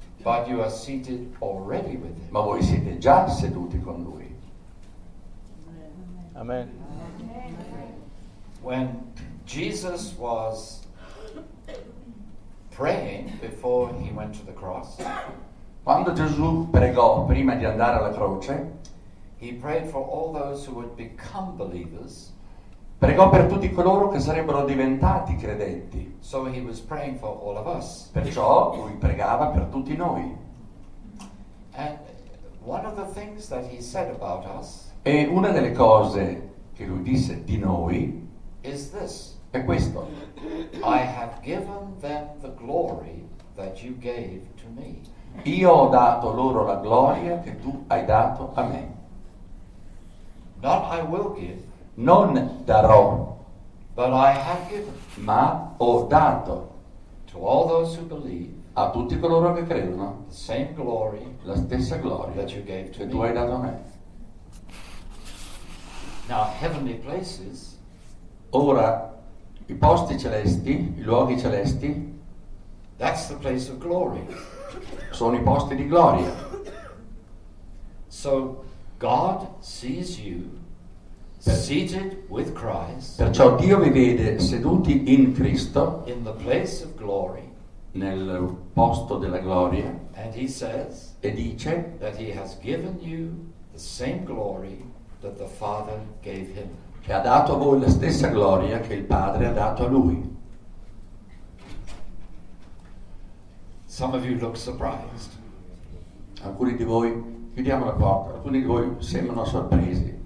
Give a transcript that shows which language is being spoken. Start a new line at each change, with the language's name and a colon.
English: But you are seated already with him.
Italian: Ma voi siete già seduti con lui. Amen.
English: When Jesus was praying before he went to the cross.
Italian: Quando Gesù pregò prima di andare alla croce,
English: he prayed for all those who would become believers.
Italian: Pregò per tutti coloro che sarebbero diventati credenti.
English: So he was praying for all of us.
Italian: Perciò lui pregava per tutti noi.
English: And one of the things that he said about us.
Italian: E una delle cose che lui disse di noi
English: is this.
Italian: È questo.
English: I have given them the glory that you gave to me.
Italian: Io ho dato loro la gloria che tu hai dato a me.
English: Not I will give.
Italian: Non darò.
English: But I have given.
Italian: Ma ho dato.
English: To all those who believe.
Italian: a tutti coloro che credono,
English: the same glory,
Italian: la stessa gloria
English: that you gave to
Italian: che
English: me.
Italian: Tu hai dato a me.
English: Now, heavenly places,
Italian: ora i posti celesti, i luoghi celesti,
English: that's the place of glory.
Italian: Sono i posti di gloria.
English: So God sees you seated with Christ.
Italian: Perciò Dio vi vede seduti in Cristo,
English: in the place of glory,
Italian: nel posto della gloria.
English: And he says,
Italian: e dice,
English: that he has given you the same glory that the Father gave him.
Italian: Che ha dato a voi la stessa gloria che il Padre ha dato a lui.
English: Some of you look surprised.
Italian: Alcuni di voi, chiudiamo la porta, alcuni di voi sembrano sorpresi.